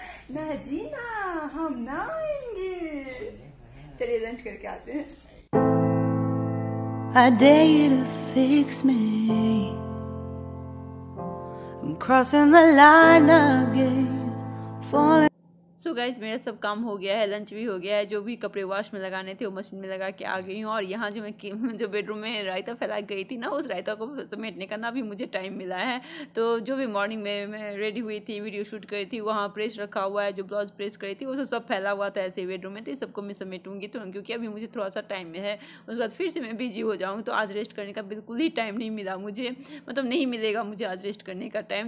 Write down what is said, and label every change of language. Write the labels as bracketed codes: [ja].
[hi] ना जी ना, हम ना आएंगे, चलिए लंच करके आते हैं। [en] I dare you to fix me, I'm crossing the line again, falling. [hi] So guys, मेरा सब काम हो गया है, लंच भी हो गया है, जो भी कपड़े वॉश में लगाने थे वो मशीन में लगा के आ गई हूँ। और यहाँ जो मैं जो बेडरूम में रायता फैला गई थी ना, उस रायता को समेटने का ना भी मुझे टाइम मिला है। तो जो भी मॉर्निंग में मैं रेडी हुई थी, वीडियो शूट करी थी, वहाँ प्रेस रखा हुआ है, जो ब्लाउज प्रेस करी थी, वो सब फैला हुआ था ऐसे बेडरूम में, तो सबको मैं समेटूंगी तो, क्योंकि अभी मुझे थोड़ा सा टाइम है, उसके बाद फिर से मैं बिजी हो जाऊँगी। तो आज रेस्ट करने का बिल्कुल ही टाइम नहीं मिला मुझे, मतलब नहीं मिलेगा मुझे आज रेस्ट करने का टाइम।